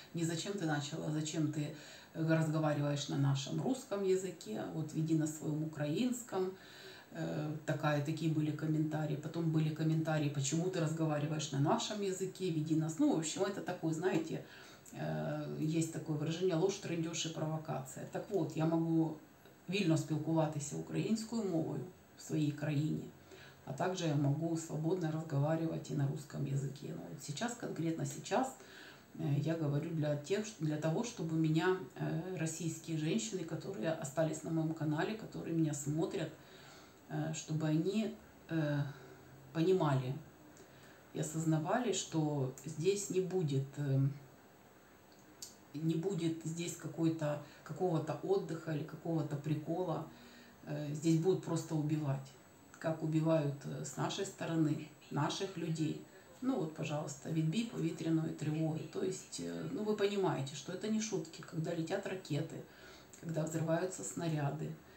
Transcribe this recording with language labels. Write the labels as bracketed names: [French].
[Russian] Не зачем ты начала, а зачем ты разговариваешь на нашем русском языке, вот веди на своем украинском. Такие были комментарии. Потом были комментарии, почему ты разговариваешь на нашем языке, веди нас. Ну, в общем, это такое, знаете, есть такое выражение, ложь, трындёж и провокация. Так вот, я могу... [Ukrainian] вільно спілкуватися українською мовою в своїй країні, а також я можу свободно розмовляти і на російському язикі. Ну, от зараз, конкретно зараз, я говорю для того, щоб мене російські жінки, які залишились на моєму каналі, які мене дивляться, щоб вони розуміли і осознавали, що тут не буде... [Russian] Не будет здесь какого-то отдыха или какого-то прикола. Здесь будут просто убивать. Как убивают с нашей стороны, наших людей. Ну вот, пожалуйста, ВИДБИ, поветренную тревогу. То есть, ну вы понимаете, что это не шутки, когда летят ракеты, когда взрываются снаряды.